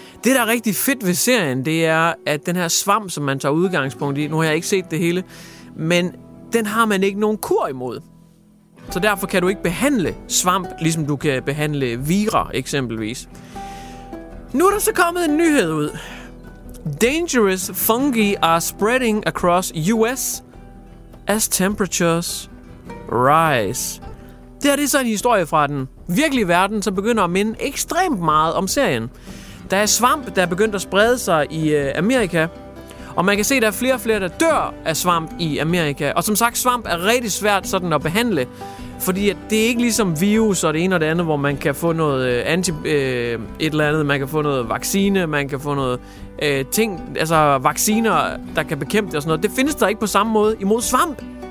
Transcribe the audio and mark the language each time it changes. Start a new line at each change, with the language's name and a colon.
Danish: Det, der er rigtig fedt ved serien, det er, at den her svamp, som man tager udgangspunkt i, nu har jeg ikke set det hele, men den har man ikke nogen kur imod. Så derfor kan du ikke behandle svamp, ligesom du kan behandle vira eksempelvis. Nu er der så kommet en nyhed ud.
English: Dangerous fungi are spreading across US as temperatures rise.
Danish: Det her, det er så en historie fra den virkelige verden, som begynder at minde ekstremt meget om serien. Der er svamp, der er begyndt at sprede sig i Amerika. Og man kan se, at der er flere og flere, der dør af svamp i Amerika. Og som sagt, svamp er rigtig svært sådan at behandle. Fordi det er ikke ligesom virus og det ene og det andet, hvor man kan få noget et eller andet. Man kan få noget vaccine, man kan få noget ting, altså vacciner, der kan bekæmpe det og sådan noget. Det findes der ikke på samme måde imod svamp.